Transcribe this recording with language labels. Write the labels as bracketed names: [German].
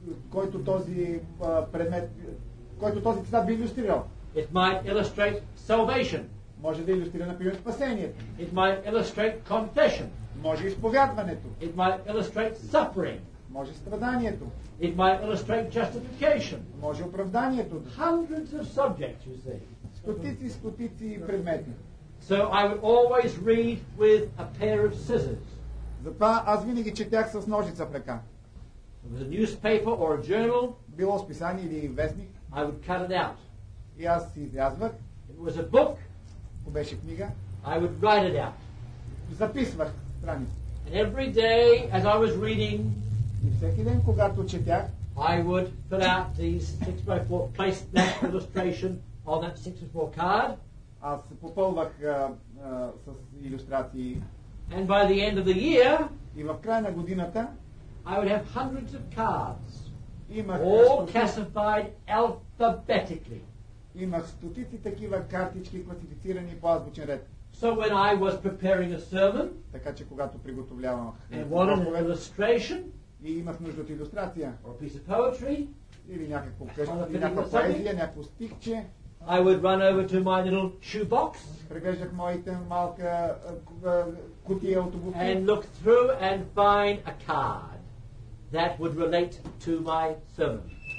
[Bulgarian] Който този предмет, който този цитат би иллюстрирал. [English] It might illustrate salvation. [Bulgarian] Може да иллюстрира, например, спасението. [English] It might illustrate confession. [Bulgarian] Може изповядването. [English] It might illustrate suffering. [Bulgarian] Може страданието. [English] It might illustrate justification. [Bulgarian] Може оправданието. [English] Hundreds of subjects, you see. [Bulgarian] Стотици, стотици предмети. [English] So I would always read with a pair of scissors. [Bulgarian] Затова аз винаги четях с ножица в ръка. [English] With a newspaper or a journal. [Bulgarian] Било списание или вестник. [English] I would cut it out. [Bulgarian] И аз си изрязвах. [English] It was a book. [Bulgarian] Ако беше книга. [English] I would write it out. [Bulgarian] Записвах страниците. [English] And every day as I was reading, [Bulgarian] и всеки ден, когато четях, [English] I would fill out these 6x4, place that illustration on that 6x4 card. [Bulgarian] Аз попълвах с илюстрации. [English] And by the end of the year, [Bulgarian] и в края на годината, [English] I would have hundreds of cards. [Bulgarian] Имах [English] all classified alphabetically. [Bulgarian] Имах стотици такива картички, класифицирани по азбучен ред. [English] So when I was preparing a sermon, [Bulgarian] така че когато приготовлявах, [English] and wanted an illustration, [Bulgarian] и имах нужда от илюстрация, [English] or a piece of poetry, [Bulgarian] или някакво къщо, някаква поезия, някакво стихче, [English] I would run over to my little shoe box, [Bulgarian] преглеждах моите малка кутия от обувки, [English] and look through and find a card that would relate to my sermon.